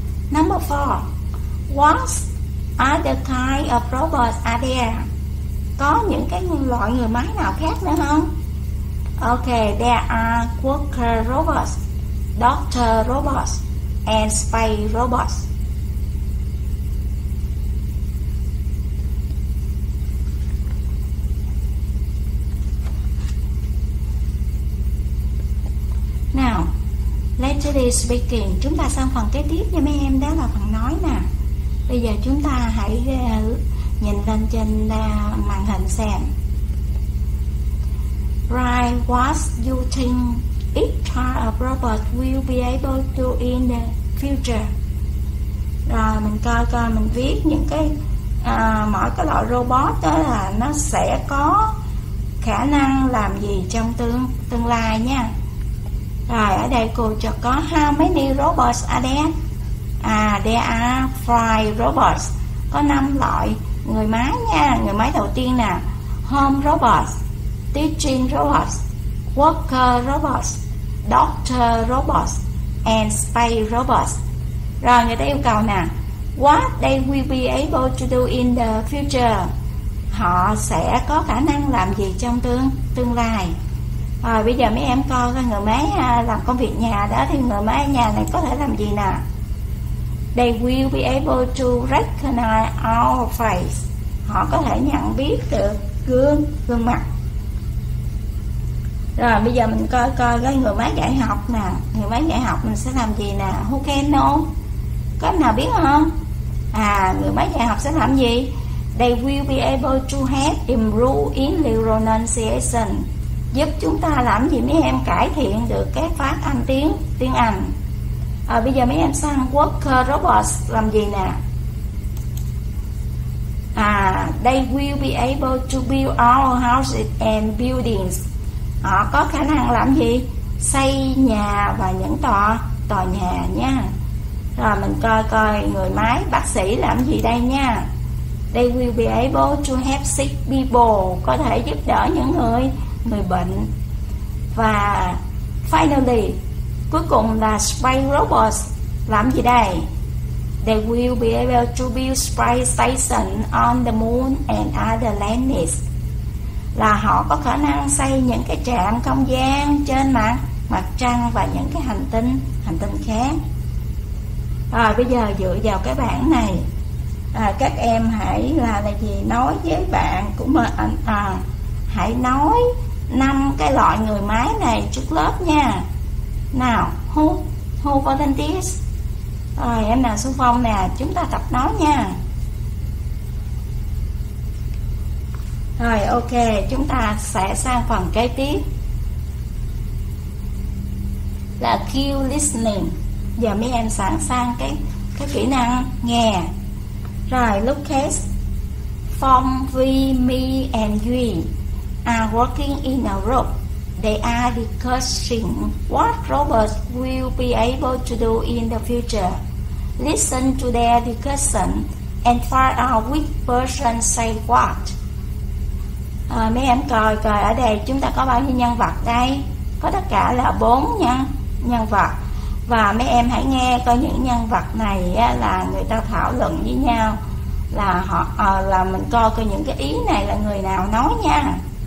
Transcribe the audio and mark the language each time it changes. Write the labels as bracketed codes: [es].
[en] Number four, what other kind of robots are there? [vi] Có những cái loại người máy nào khác nữa không? [en] Okay, there are worker robots, doctor robots, and spy robots. Now, lately speaking, [vi] chúng ta sang phần kế tiếp nha mấy em, đó là phần nói nè. Bây giờ chúng ta hãy nhìn lên trên màn hình xem. [en] Write what you think each kind of robot will be able to in the future. [vi] Rồi mình coi mình viết những cái mỗi cái loại robot đó là nó sẽ có khả năng làm gì trong tương lai nha. Rồi ở đây cô cho có [en] how many robots are there? [vi] À, [en] there are five robots, [vi] có năm loại người máy nha. Người máy đầu tiên nè, home robots, teaching robots, worker robots, doctor robots, and spy robots. Rồi người ta yêu cầu nè, [en] what they will be able to do in the future, [vi] họ sẽ có khả năng làm gì trong tương lai. Rồi bây giờ mấy em coi người máy làm công việc nhà đó, thì người máy ở nhà này có thể làm gì nè? [en] They will be able to recognize our face. [vi] Họ có thể nhận biết được gương mặt. Rồi bây giờ mình coi cái người máy dạy học nè. Người máy dạy học mình sẽ làm gì nè? [en] Who can know? [vi] Có nào biết không? À, người máy dạy học sẽ làm gì? [en] They will be able to help improve in the pronunciation. [vi] Giúp chúng ta làm gì mấy em? Cải thiện được cái phát âm tiếng Anh. À, bây giờ mấy em sang worker robots làm gì nè? [en] À, they will be able to build our houses and buildings. [vi] Họ có khả năng làm gì? Xây nhà và những tòa nhà nha. Rồi mình coi người máy bác sĩ làm gì đây nha. [en] They will be able to help sick people, [vi] có thể giúp đỡ những người bệnh. Và finally, cuối cùng là spy robots làm gì đây? [en] They will be able to build spy station on the moon and other planets. [vi] Là họ có khả năng xây những cái trạm không gian trên mặt trăng và những cái hành tinh khác. Rồi bây giờ dựa vào cái bảng này, các em hãy là gì, nói với bạn của mình, hãy nói năm cái loại người máy này trước lớp nha. Nào, [en] who volunteers? [vi] Rồi, em nào xung phong nè, chúng ta tập nói nha. Rồi, ok, chúng ta sẽ sang phần kế tiếp. Là cue listening. Giờ mấy em sẵn sàng cái kỹ năng nghe. [en] Rồi, look at. From we, me and we are working in a group. They are discussing what robots will be able to do in the future. Listen to their discussion and find out which person say what. [vi] Mấy em coi ở đây chúng ta có bao nhiêu nhân vật đây? Có tất cả là 4 nhân vật. Và mấy em hãy nghe coi những nhân vật này là người ta thảo luận với nhau. Là họ là mình coi những cái ý này là người nào nói nha.